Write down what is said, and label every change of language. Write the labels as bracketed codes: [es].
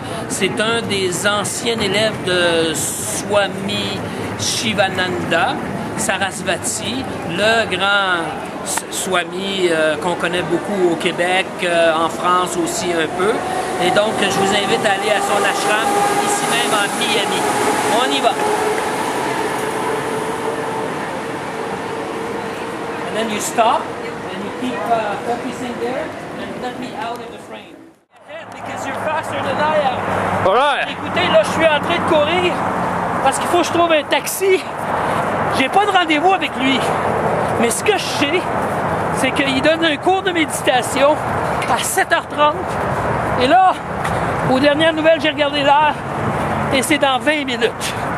[fr] C'est un des anciens élèves de Swami Sivananda. Sarasvati, le grand Swami qu'on connaît beaucoup au Québec, en France aussi un peu. Et donc, je vous invite à aller à son ashram ici même en Miami. On y va! [en] And then you stop, and you keep focusing there, and let me out of the frame. Because you're faster than I am. All right. [fr] Écoutez, là, je suis en train de courir parce qu'il faut que je trouve un taxi. J'ai pas de rendez-vous avec lui, mais ce que je sais, c'est qu'il donne un cours de méditation à 7h30. Et là, aux dernières nouvelles, j'ai regardé l'heure et c'est dans 20 minutes.